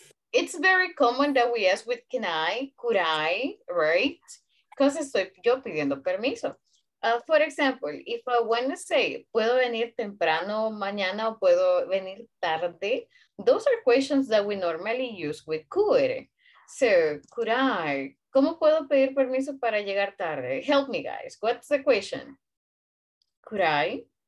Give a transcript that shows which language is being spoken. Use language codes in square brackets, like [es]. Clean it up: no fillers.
[en] It's very common that we ask with can I, could I, right? Because [es] estoy yo pidiendo permiso. [en] For example, if I want to say, [es] ¿puedo venir temprano mañana o puedo venir tarde? [en] Those are questions that we normally use with could. So, could I? [es] ¿Cómo puedo pedir permiso para llegar tarde? [en] Help me, guys. What's the question? Could I?